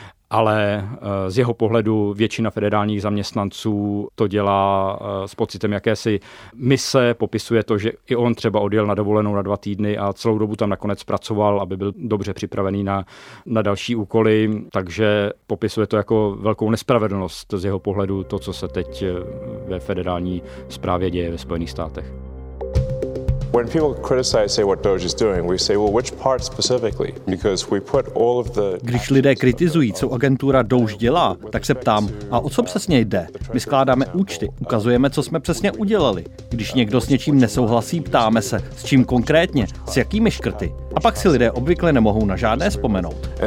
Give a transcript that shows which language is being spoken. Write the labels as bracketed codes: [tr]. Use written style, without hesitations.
[cs] ale z jeho pohledu většina federálních zaměstnanců to dělá s pocitem jakési mise, popisuje to, že i on třeba odjel na dovolenou na 2 týdny a celou dobu tam nakonec pracoval, aby byl dobře připravený na další úkoly, takže popisuje to jako velkou nespravedlnost z jeho pohledu to, co se teď ve federální správě děje ve Spojených státech. [en] When people criticize, say, what Doge is doing, we say, well, which part specifically? Because we put all of the. [cs] Když lidé kritizují, co agentura Doge dělá, tak se ptám, a o co přesně jde? My skládáme účty, ukazujeme, co jsme přesně udělali. Když někdo s něčím nesouhlasí, ptáme se, s čím konkrétně, s jakými škrty. A pak si lidé obvykle nemohou na žádné vzpomenout.